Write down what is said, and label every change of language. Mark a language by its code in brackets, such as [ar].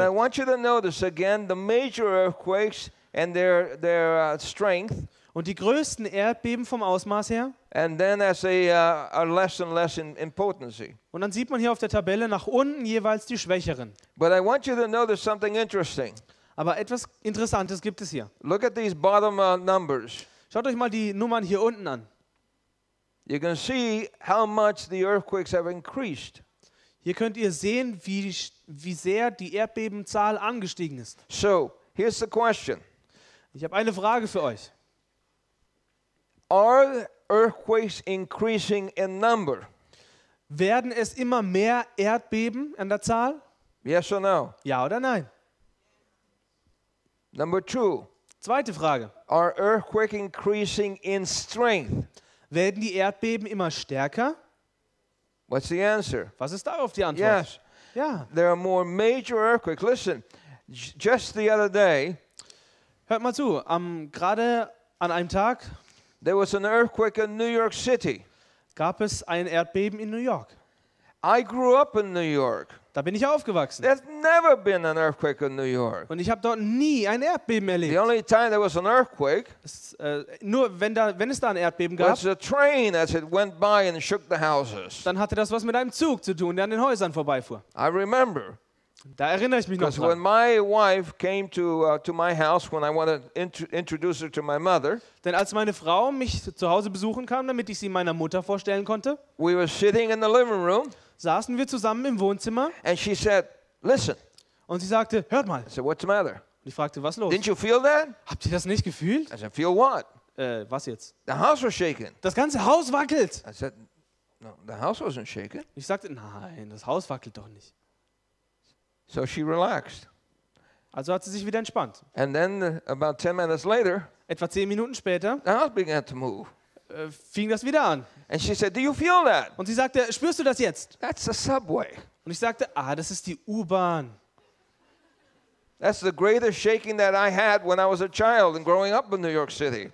[en] And I want you to notice again the major earthquakes and their strength. [de] Und die größten Erdbeben vom Ausmaß her. [en] And then as they are less and less in potency. [de] Und dann sieht man hier auf der Tabelle nach unten jeweils die schwächeren. [en] But I want you to know there's something interesting. [de] Aber etwas Interessantes gibt es hier. [en] Look at these bottom numbers. [de] Schaut euch mal die Nummern hier unten an. [en] You can see how much the earthquakes have increased. [de] Hier könnt ihr sehen, wie sehr die Erdbebenzahl angestiegen ist. [en] So, here's the question. [de] Ich habe eine Frage für euch. [en] Are earthquakes increasing in number? [de] Werden es immer mehr Erdbeben an der Zahl? [en] Yes or no? [de] Ja oder nein? [en] Number two. [de] Zweite Frage. [en] Are earthquakes increasing in strength? [de] Werden die Erdbeben immer stärker? [en] What's the answer? [de] Was ist darauf die Antwort? [en] Yes. Yeah. There are more major earthquakes. Listen, just the other day. [de] Hört mal zu, gerade an einem Tag. [en] There was an earthquake in New York City. [de] Gab es ein Erdbeben in New York? [en] I grew up in New York. [de] Da bin ich aufgewachsen. [en] There's never been an earthquake in New York. [de] Und ich habe dort nie ein Erdbeben erlebt. [en] The only time there was an earthquake. [de] Nur wenn es da ein Erdbeben gab. [en] Was a train as it went by and shook the houses. [de] Dann hatte das was mit einem Zug zu tun, der an den Häusern vorbeifuhr. [en] I remember. [de] Da erinnere ich mich noch dran. [en] Because when my wife came to my house when I wanted introduce her to my mother. [de] Denn als meine Frau mich zu Hause besuchen kam, damit ich sie meiner Mutter vorstellen konnte. [en] We were sitting in the living room. [de] Saßen wir zusammen im Wohnzimmer. [en] And she said, listen. [de] Und sie sagte, hört mal. [en] I said, what's the matter? [de] Und ich fragte, was los? [en] Didn't you feel that? [de] Habt ihr das nicht gefühlt? [en] I said, feel what? [de] Was jetzt? [en] The house was shaking. [de] Das ganze Haus wackelt. [en] I said, no, the house wasn't shaking. [de] Ich sagte, nein, das Haus wackelt doch nicht. [en] So she relaxed. [de] Also hat sie sich wieder entspannt. [en] And then about 10 minutes later, [de] etwa 10 Minuten später, [en] the house began to move. [de] Fing das wieder an. [en] And she said, do you feel that? [de] Und sie sagte, spürst du das jetzt? [en] That's the subway. [de] Und ich sagte, das ist die U-Bahn. [en] That's the greatest shaking that I had when I was a child and growing up in New York City.